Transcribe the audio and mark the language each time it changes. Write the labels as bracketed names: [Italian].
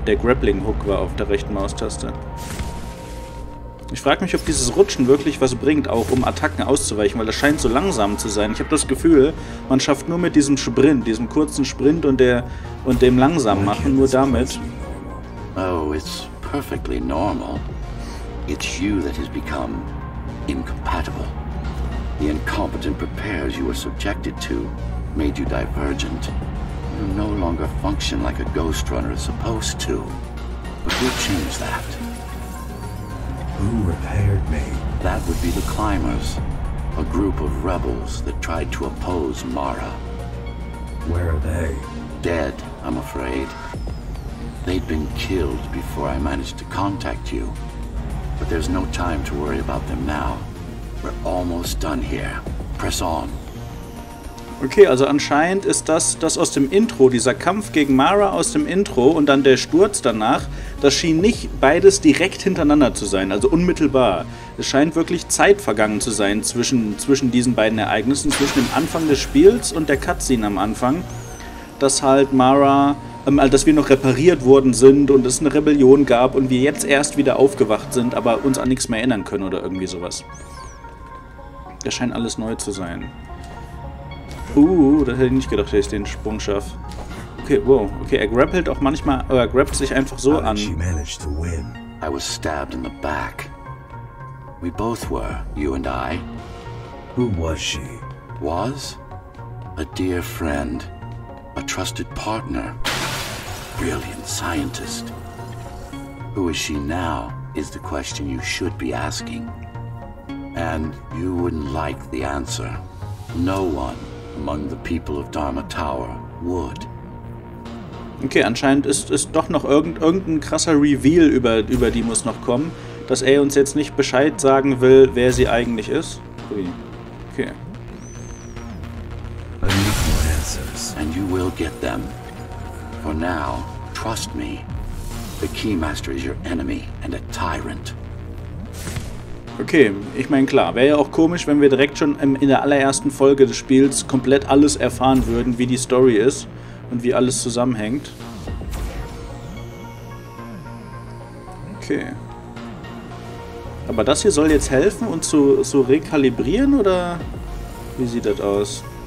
[German] Der Grappling-Hook war auf der rechten Maustaste. Ich frage mich, ob dieses Rutschen wirklich was bringt, auch um Attacken auszuweichen, weil das scheint so langsam zu sein. Ich habe das Gefühl, man schafft nur mit diesem Sprint, diesem kurzen Sprint und dem langsam machen, nur damit. [English] Oh, it's perfectly normal. It's you that has become incompatible. The incompetent prepares you were subjected to made you divergent. You no longer function like a ghost runner is supposed to. But who changed that? Who repaired me? That would be the climbers. A group of rebels that tried to oppose Mara. Where are they? Dead, I'm afraid. They'd been killed before I managed to contact you. But there's no time to worry about them now. We're almost done here. Press on. [German] Okay, also anscheinend ist das aus dem Intro, dieser Kampf gegen Mara aus dem Intro und dann der Sturz danach, das schien nicht beides direkt hintereinander zu sein, also unmittelbar. Es scheint wirklich Zeit vergangen zu sein zwischen diesen beiden Ereignissen, zwischen dem Anfang des Spiels und der Cutscene am Anfang, dass halt Mara... dass wir noch repariert worden sind und es eine Rebellion gab und wir jetzt erst wieder aufgewacht sind, aber uns an nichts mehr erinnern können oder irgendwie sowas. Das scheint alles neu zu sein. Das hätte ich nicht gedacht, dass ich den Sprung schaffe. Okay, wow. Okay, er grappelt auch manchmal, er grappelt sich einfach so an. [English] How did she manage to win? I was stabbed in the back. We both were, you and I. Who was she? Was? A dear friend. A trusted partner. Brilliant scientist. Who is she now, is the question you should be asking. And you wouldn't like the answer. No one among the people of Dharma Tower would. [German] Okay, anscheinend ist doch noch irgendein krasser Reveal über die muss noch kommen, dass er uns jetzt nicht Bescheid sagen will, wer sie eigentlich ist. Okay. [English] I need more answers. And you will get them. For now, trust me. The Keymaster is your enemy and a tyrant. [German] Okay, ich meine, klar, wäre ja auch komisch, wenn wir direkt schon in der allerersten Folge des Spiels komplett alles erfahren würden, wie die Story ist und wie alles zusammenhängt. Okay. Aber das hier soll jetzt helfen, uns zu so rekalibrieren, oder? Wie sieht das aus?